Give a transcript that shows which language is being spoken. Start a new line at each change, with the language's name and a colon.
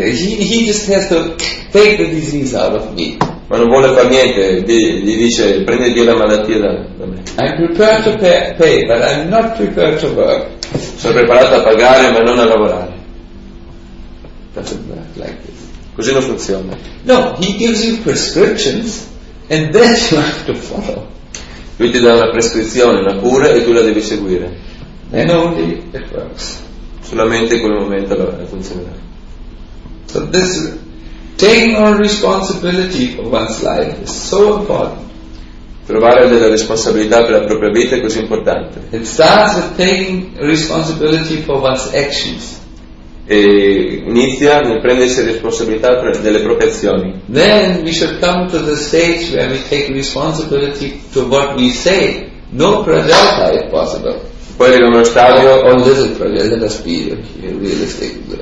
English: He just has to take the disease out of me.
Italian: Ma non vuole far niente. Gli dice prendi via la malattia da me.
English: I'm prepared to pay, but I'm not prepared to work.
Italian: Sono preparato a pagare, ma non a lavorare.
English: That's not like this.
Italian: Così non funziona.
English: No, he gives you prescriptions and then you have to follow.
Italian: Lui ti dà una prescrizione, una cura e tu la devi seguire.
English: And only it works.
Italian: Solamente in quel momento la funzionerà.
English: So this taking on responsibility for one's life is so important.
Italian: Trovare della responsabilità per la propria vita è così importante.
English: It starts with taking responsibility for one's actions.
Italian: E inizia nel prendersi responsabilità per delle proprie azioni.
English: Then we should come to the stage where we take responsibility to what we say. No prajata if possible.
Italian: Poi arriviamo allo stadio.
English: On this is prajata, let us be realistic.